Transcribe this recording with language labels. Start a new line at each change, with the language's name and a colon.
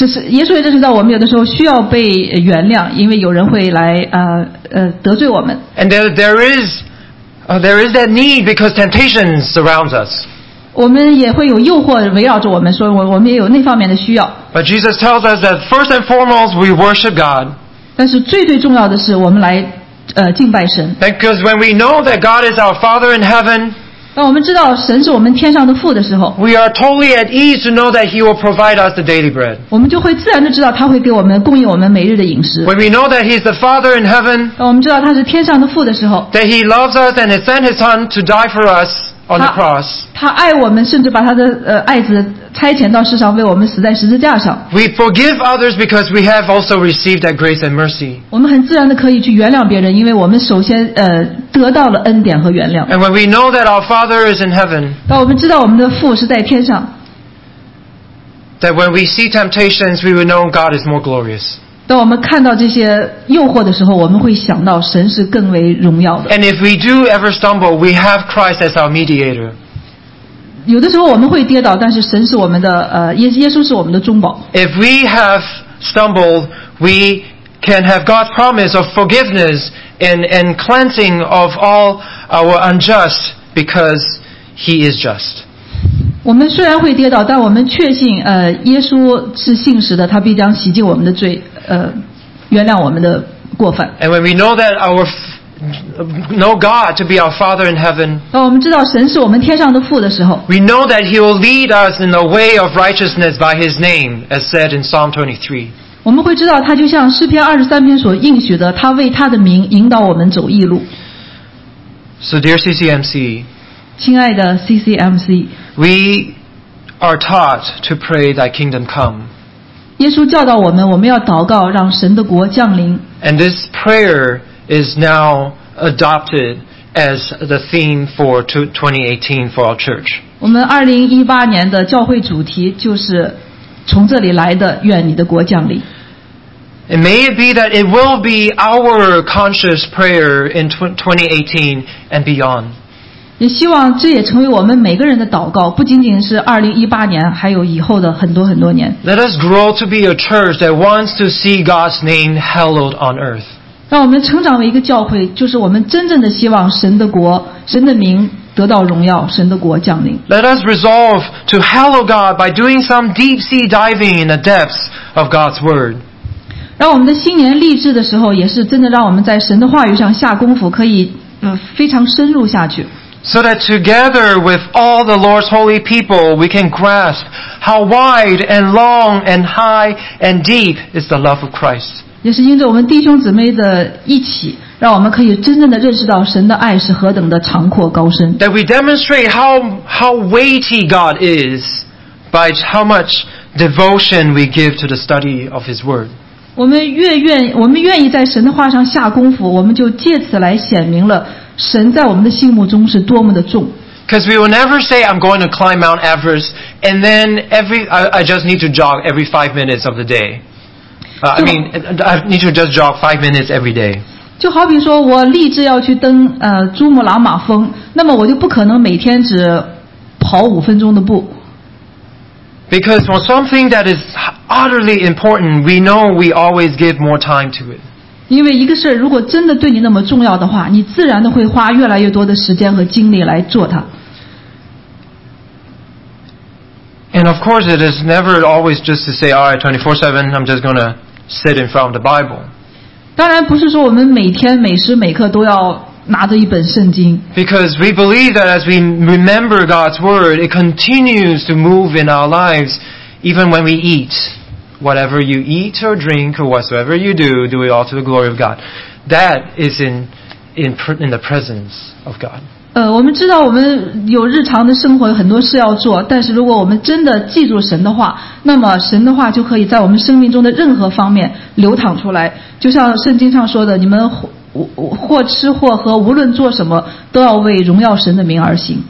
Chinese: 耶稣也认识到我们有的时候需要被原谅，因为有人会来得罪我们。
English: And there is that need because temptation surrounds us.
Chinese: 我们也会有诱惑围绕着我们，所以我们也有那方面的需要。
English: But Jesus tells us that first and foremost we worship God.
Chinese: 但是最最重要的是我们来敬拜神。
English: Because when we know that God is our Father in heaven.
Chinese: 当我们知道神是我们天上的父的时候
English: ，We are totally at ease to know that He will provide us the daily bread.
Chinese: 我们就会自然的知道他会给我们供应我们每日的饮食。
English: When we know that He is the Father in heaven.
Chinese: 当我们知道他是天上的父的时候
English: ，That He loves us and has sent His Son to die for us on the cross.
Chinese: 他爱我们，甚至把他的爱子差遣到世上，为我们死在十字架上。
English: We forgive others because we have also received that grace and mercy.
Chinese: 我们很自然的可以去原谅别人，因为我们首先得到了恩典和原谅。
English: And when we know that our Father is in heaven,
Chinese: 当我们知道我们的父是在天上
English: ，That when we see temptations, we will know God is more glorious.
Chinese: 当我们看到这些诱惑的时候，我们会想到神是更为荣耀的。
English: And if we do ever stumble, we have Christ as our mediator.
Chinese: 有的时候我们会跌倒，但是神是我们的耶稣是我们的中保。
English: If we have stumbled, we can have God's promise of forgiveness and cleansing of all our unjust because He is just.
Chinese: 我们虽然会跌倒，但我们确信耶稣是信实的，他必将洗净我们的罪，原谅我们的过犯。
English: And when we know that our know God to be our Father in heaven.
Chinese: 当我们知道神是我们天上的父的时候
English: ，We know that He will lead us in the way of righteousness by His name, as said in Psalm 23.
Chinese: 我们会知道他就像诗篇二十三篇所应许的，他为他的名引导我们走义路。
English: So, dear CCMC,
Chinese: 亲爱的 CCMC,
English: we are taught to pray Thy kingdom come.
Chinese: 耶稣教导我们，我们要祷告，让神的国降临。
English: And this prayer. Is now adopted as the theme for 2018 for our church.
Chinese: 我们2018年的教会主题就是从这里来的，愿你的国降临。
English: And may it be that it will be our conscious prayer in 2018 and beyond.
Chinese: 也希望这也成为我们每个人的祷告，不仅仅是2018年，还有以后的很多很多年。
English: Let us grow to be a church that wants to see God's name hallowed on earth.
Chinese: 让我们成长为一个教会，就是我们真正的希望神的国、神的名得到荣耀，神的国降临。
English: Let us resolve to hallow God by doing some deep sea diving in the depths of God's word.
Chinese: 让我们的新年立志的时候，也是真的让我们在神的话语上下功夫，可以非常深入下去。
English: So that together with all the Lord's holy people, we can grasp how wide and long and high and deep is the love of Christ.
Chinese: 也是因着我们弟兄姊妹的一起，让我们可以真正的认识到神的爱是何等的长阔高深。
English: That we demonstrate how weighty God is by how much devotion we give to the study of His Word.
Chinese: 我们愿意在神的话上下功夫，我们就借此来显明了神在我们的心目中是多么的重。
English: Because we will never say, "I'm going to climb Mount Everest," and then I just need to jog every 5 minutes of the day. I need to just jog 5 minutes every day.
Chinese: 就好比说我立志要去登珠穆朗玛峰，那么我就不可能每天只跑五分钟的步。
English: Because for something that is utterly important, we know we always give more time to it.
Chinese: 因为一个事如果真的对你那么重要的话，你自然的会花越来越多的时间和精力来做它。
English: And of course, it is never always just to say, "All right, 24/7, I'm just going to sit in front of the Bible."
Chinese: 当然不是说我们每天每时每刻都要拿着一本圣经。
English: Because we believe that as we remember God's word, it continues to move in our lives, even when we eat. Whatever you eat or drink or whatsoever you do, do it all to the glory of God. That is in the presence of God.
Chinese: 我们知道我们有日常的生活，很多事要做，但是如果我们真的记住神的话，那么神的话就可以在我们生命中的任何方面流淌出来。就像圣经上说的，你们 或吃或喝，无论做什么，都要为荣耀神的名而行。